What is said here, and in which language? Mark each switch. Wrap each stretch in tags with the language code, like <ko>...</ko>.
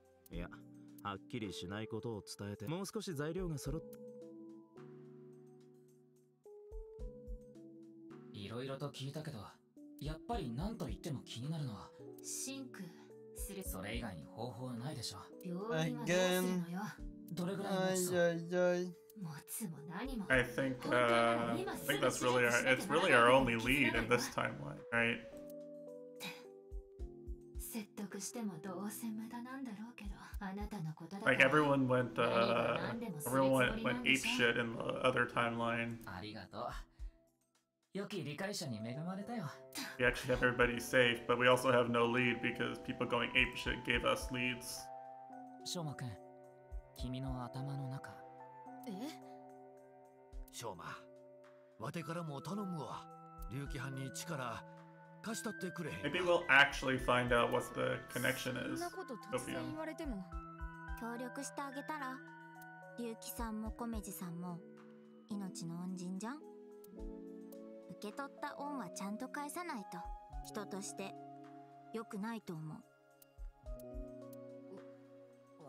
<ja>いや、はっきりしないことを伝えて、もう少し材料が揃った。いろいろと聞いたけど、やっぱり何と言っても気になるのはシンクする。それ以外に方法はないでしょ。病院はどうするのよ。どれぐらい持つの？持つも何も。</ja> <en>I think I think that's really our it's really our only lead in this timeline, right?</en> <ja>説得してもどうせ無駄なんだろうけど、あなたのことだから</ja> <en>。 Like everyone went everyone went ape shit in the other timeline.</en> <ja>ありがとう。良き理解者に恵まれたよ。</ja> <en>We actually have everybody safe, but we also have no lead because people going ape shit gave us leads.</en> <ja>Shoma, 君の頭の中。え？ Shoma, わてからも頼むわ。龍騎班に力貸したってくれ。</ja> <en>Maybe we'll actually find out what the connection is.</en> <ja>そんなこと突然言われても。協力してあげたら、龍騎さんも小梅さんも命の恩人じゃん。受け取った恩はちゃんと返さないと、人として良くないと思う。</ja>